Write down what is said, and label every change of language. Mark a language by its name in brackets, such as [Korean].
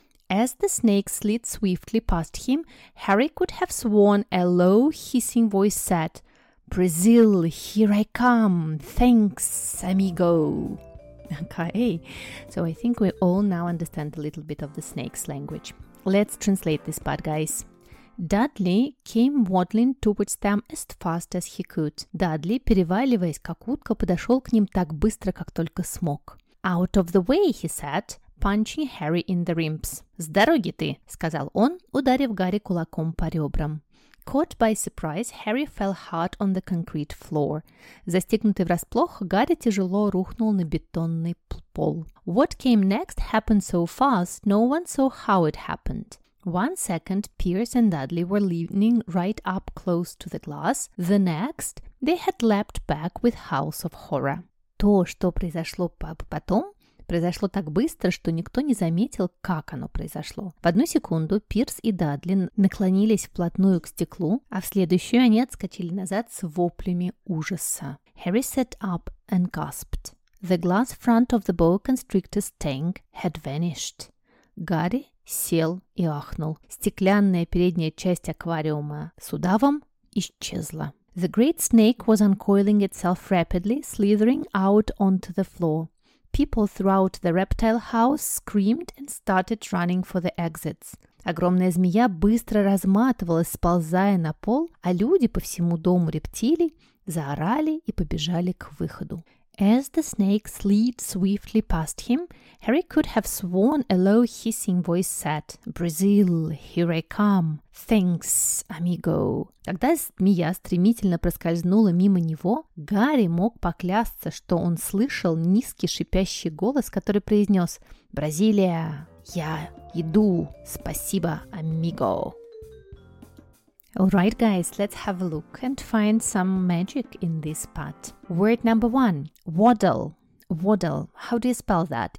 [English] As the snake slid swiftly past him, Harry could have sworn a low, hissing voice said, Brazil, here I come. Thanks, amigo. Okay, so I think we all now understand a little bit of the snake's language. Let's translate this part, guys. Dudley came waddling towards them as fast as he could. [Russian] Dudley, переваливаясь как утка, подошел к ним так быстро, как только смог. [English] Out of the way, he said, punching Harry in the ribs. [Russian] С дороги ты, сказал он, ударив Гарри кулаком по ребрам. [English] Caught by surprise, Harry fell hard on the concrete floor. [Russian] Застигнутый врасплох, Гарри тяжело рухнул на бетонный пол. [English] What came next happened so fast, no one saw how it happened. One second, Pierce and Dudley were leaning right up close to the glass. The next, they had leapt back with howls of horror. [Russian] То, что произошло потом, произошло так быстро, что никто не заметил, как оно произошло. В одну секунду Пирс и Дадли наклонились вплотную к стеклу, а в следующую они отскочили назад с воплями ужаса. [English] Harry sat up and gasped. The glass front of the boa constrictor's tank had vanished. [Russian] Гарри сел и ахнул. Стеклянная передняя часть аквариума с удавом исчезла. [English] The great snake was uncoiling itself rapidly, slithering out onto the floor. People throughout the reptile house screamed and started running for the exits. [Russian] Огромная змея быстро разматывалась, сползая на пол, а люди по всему дому рептилий заорали и побежали к выходу. [English] As the snake slid swiftly past him, Harry could have sworn a low hissing voice said, Brazil, here I come. Thanks, amigo. [Russian] Когда змея стремительно проскользнула мимо него, Гарри мог поклясться, что он слышал низкий шипящий голос, который произнес, Бразилия, я иду, спасибо, amigo. [English] Alright guys, let's have a look and find some magic in this part. Word number one, waddle. Waddle, how do you spell that?